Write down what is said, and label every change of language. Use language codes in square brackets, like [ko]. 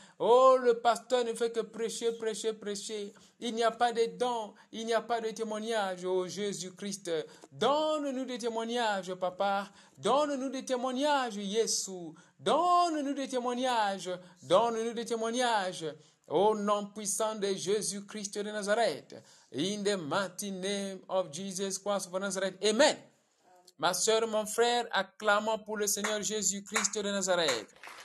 [fr] Oh, le pasteur ne fait que prêcher. Il n'y a pas de dons, il n'y a pas de témoignage, ô Jésus-Christ. Donne-nous des témoignages, papa. Donne-nous des témoignages, Jésus. Donne-nous des témoignages. Donne-nous des témoignages. Au nom puissant de Jésus-Christ de Nazareth. [en] In the mighty name of Jesus Christ of Nazareth. [fr] Amen. Ma sœur, mon frère, acclamons pour le Seigneur Jésus-Christ de Nazareth.